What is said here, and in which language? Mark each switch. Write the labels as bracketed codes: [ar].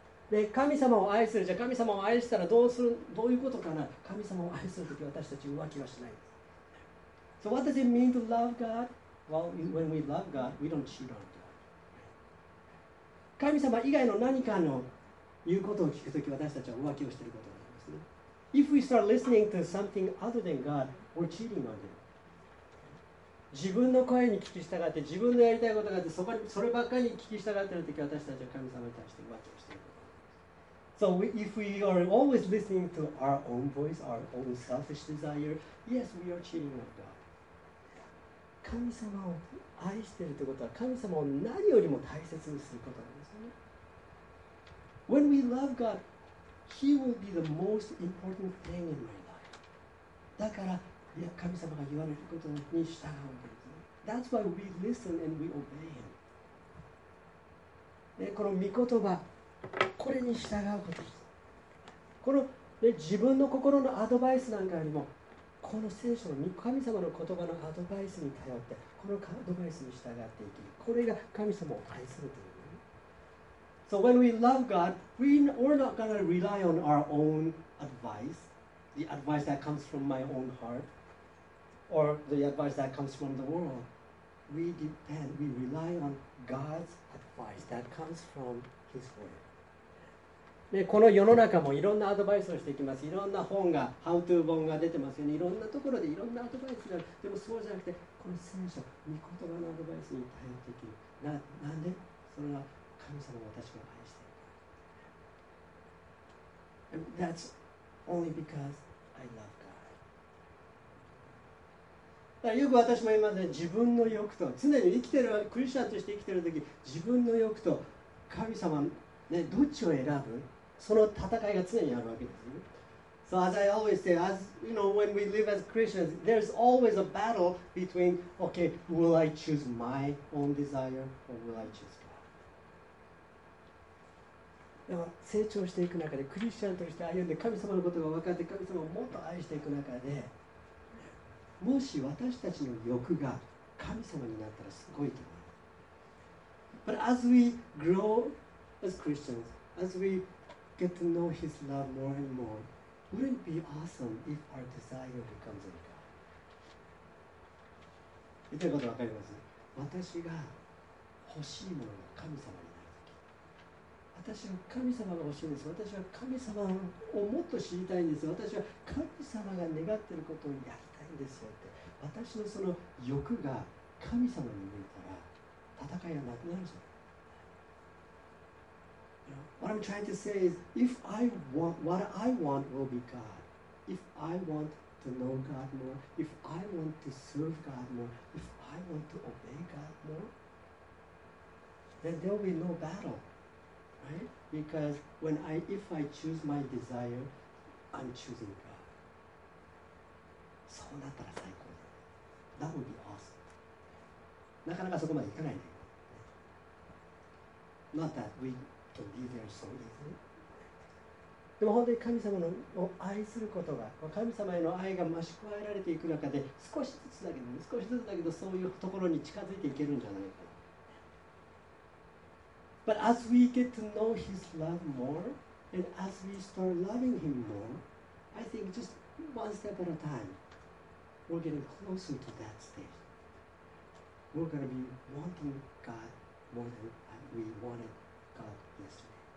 [ja] で、神様を愛する。じゃあ神様を愛したらどうする、どういうことかな。神様を愛するとき私たち浮気はしない。 [en] So what does it mean to love God? Well, when we love God, we don't cheat on God. [ja] 神様以外の何かの言うことを聞くとき、私たちは浮気をしていることになりますね。 [en] If we start listening to something other than God, we're cheating on Him. [ja] 自分の声に聞き従って自分のやりたいことがあってそこにそればっかりに聞き従っているとき私たちは神様に対して浮気をしている。 [en] So we, if we are always listening to our own voice, our own selfish desire, yes, we are cheating on God. [ja] 神様を愛しているということは神様を何よりも大切にすることなんですね。 [en] When we love God, He will be the most important thing in my life. [ja] だから、いや神様が言われることに従うんですね。 [en] That's why we listen and we obey Him. [ja] で、この御言葉、これに従うことです。この、ね、自分の心のアドバイスなんかよりも、この聖書の神様の言葉のアドバイスに頼って、このアドバイスに従っていき、これが神様を愛するという。 [en] So when we love God, we're not going to rely on our own advice, the advice that comes from my own heart, or the advice that comes from the world. We depend, we rely on God's advice that comes from His Word. [ja] ね、この世の中もいろんなアドバイスをしていきます。いろんな本が、How to 本が出てますよね。いろんなところでいろんなアドバイスがある。でもそうじゃなくて、この聖書、御言葉のアドバイスに頼っていける。なんで？それは神様が私を愛して [en] る。And that's only because I love God. [ja] だよく私も今まで自分の欲と常に生きてるクリスチャンとして生きてる時自分の欲と神様ねどっちを選ぶその戦いが常にあるわけですよ。 [en] So as I always say, as you know, when we live as Christians, there's always a battle between, okay, will I choose my own desire or will I choose? [ja] 成長していく中でクリスチャンとして歩んで神様のことが分かって神様をもっと愛していく中でもし私たちの欲が神様になったらすごいと思う。 [en] But as we grow as Christians, as we get to know His love more and more, wouldn't it be awesome if our desire becomes a God? [ja] 言ってること分かります？私が欲しいものが神様に私は神様が欲しいんです。私は神様をもっと知りたいんです。私は神様が願っていることをやりたいんですよって。私のその欲が神様に向いたら戦いはなくなるじゃん。 [en] What I'm trying to say is, if I want, what I want will be God. If I want to know God more, if I want to serve God more, if I want to obey God more, then there will be no battle. Right? Because when I, if I choose my desire, I'm choosing God. [ja] そうなったら最高だ。 [en] That would be awesome. [ja] なかなかそこまでいかないね。 [en] Not that we can be there so easily. [ja] でも本当に神様を愛することが、神様への愛が増し加えられていく中で、少しずつだけど、ね、少しずつだけどそういうところに近づいていけるんじゃないか。 [en] But as we get to know His love more, and as we start loving Him more, I think just one step at a time, we're getting closer to that stage. We're going to be wanting God more than we wanted God yesterday.